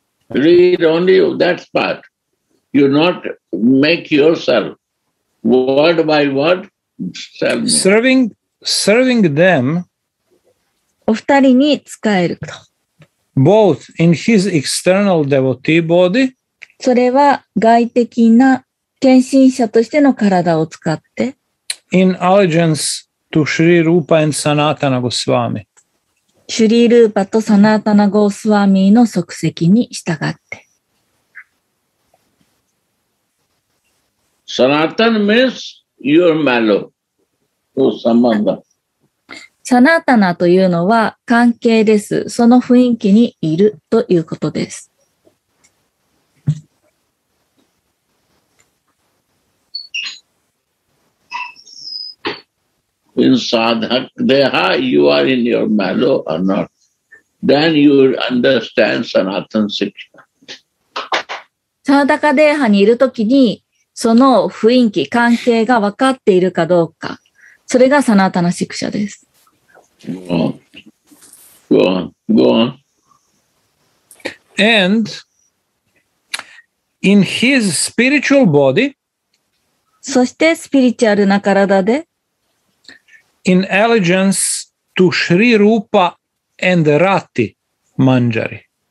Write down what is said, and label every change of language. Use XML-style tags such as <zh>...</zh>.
<en>Read only that part. You not make yourself word by word serving them</en> <ja>お二人に使えると。</ja> <en>Both in his external devotee body,</en> <ja>それは外的な献身者としての体を使って、</ja> <en>in allegiance to Shri Rupa and Sanatana Goswami,</en> <ja>シュリールーパとサナタナゴスワミの足跡に従って。</ja> <en>Sanatana means your mellow, or Samanda.</en> <ja>サナータナというのは関係です。その雰囲気にいるということです。</ja> <en>In sadhak deha, you are in your mellow or not. Then you understand sanatana siksha.</en> <ja>サナタカデハにいるときに、その雰囲気、関係が分かっているかどうか。それがサナータナシクシャです。</ja> <en>Go on. And in his spiritual body,</en> <ja>そしてスピリチュアルな体で</ja> <en>in allegiance to Shri Rupa and Rati Manjari.</en>